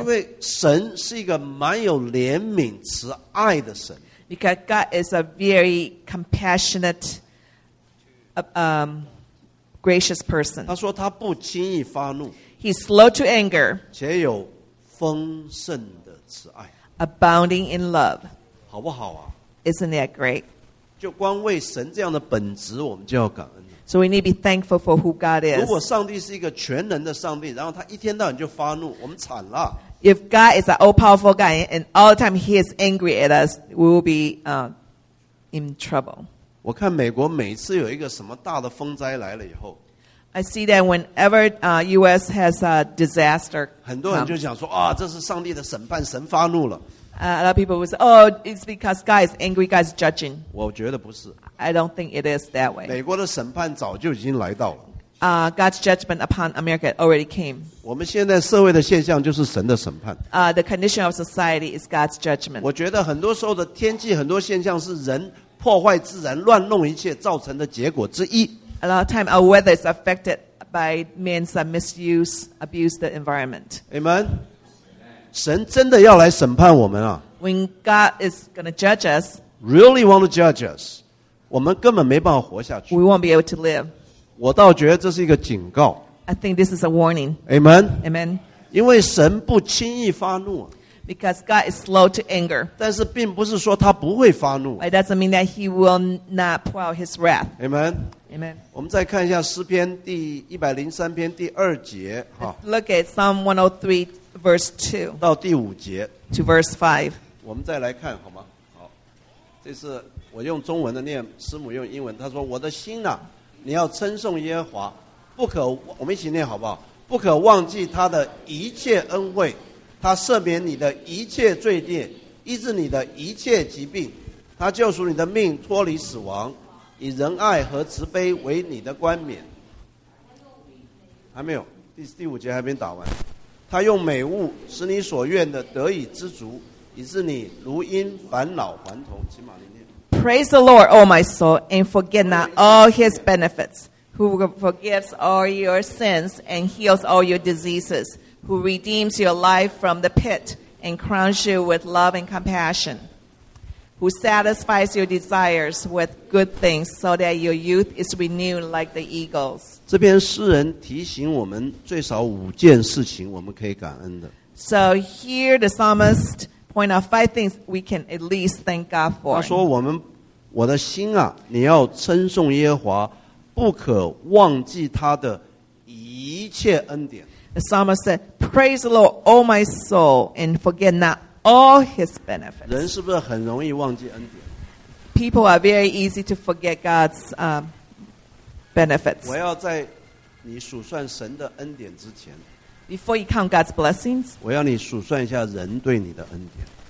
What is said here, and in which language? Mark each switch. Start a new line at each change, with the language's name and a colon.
Chinese: 因为神是一个蛮有怜悯慈爱的神。
English: Because God is a very compassionate, gracious person.
Chinese: 他说他不轻易发怒。
English: He's slow to anger.
Chinese: 且有丰盛的慈爱。
English: Abounding in love.
Chinese: 好不好啊
English: Isn't that great?
Chinese: 就光为神这样的本质我们就要感恩。
English: So we need to be thankful for who God is.
Chinese: 如果上帝是一个全能的上帝，然后他一天到晚就发怒，我们惨了。
English: If God is an all-powerful God and all the time He is angry at us, we will be in trouble.
Chinese: 我看美国每次有一个什么大的风灾来了以后
English: ，I see that whenever U.S. has a disaster,
Chinese: 很多人就讲说啊，这是上帝的审判，神发怒了。
English: A lot of people will say, oh, it's because God is angry, God is judging.
Chinese: 我觉得不是。
English: I don't think it is that way.
Chinese: 美国的审判早就已经来到了。
English: God's judgment upon America already came.
Chinese: 我们现在社会的现象就是神的审判。
English: The condition of society is God's judgment.
Chinese: 我觉得很多时候的天气很多现象是人破坏自然乱弄一切造成的结果之一。
English: A lot of time our weather is affected by men's misuse, abuse the environment. Amen.
Chinese: 神真的要来审判我们啊。
English: When God is going to judge us, really want to judge us,
Chinese: 我们根本没办法活下去。
English: We won't be able to live.
Chinese: 我倒觉得这是一个警告。
English: I think this is a warning. Amen. Amen.
Chinese: 因为神不轻易发怒。
English: Because God is slow to anger.
Chinese: 但是并不是说他不会发怒。
English: It doesn't mean that he will not pour out his wrath. Amen. Amen.
Chinese: 我们再看一下诗篇第103篇第二节。
English: Look at Psalm 103 verse 2.
Chinese: 到第五节。
English: To verse 5.
Chinese: 我们再来看好吗？好。这是我用中文的念，师母用英文。他说，我的心啊，你要称颂耶和华，不可，我们一起念好不好？不可忘记他的一切恩惠。他赦免你的一切罪孽，医治你的一切疾病，他救赎你的命，脱离死亡，以仁爱和慈悲为你的冠冕。还没有，第五节还没打完。他用美物使你所愿的得以知足，以致你如因返老还童。起码念。
English: Praise the Lord, O my soul, and forget not all His benefits, who forgives all your sins and heals all your diseases. Who redeems your life from the pit and crowns you with love and compassion. Who satisfies your desires with good things so that your youth is renewed like the eagles.
Chinese: 这篇诗人提醒我们最少五件事情我们可以感恩的。
English: So here the psalmist point out five things we can at least thank God for.
Chinese: 他说我的心啊，你要称颂耶和华，不可忘记他的一切恩典。
English: The psalmist said, Praise the Lord, O my soul, and forget not all his benefits.
Chinese: 人是不是很容易忘记恩典?
English: People are very easy to forget God's benefits.
Chinese: 我要在你数算神的恩典之前,
English: Before you count God's blessings,
Chinese: 我要你数算一下人对你的恩典。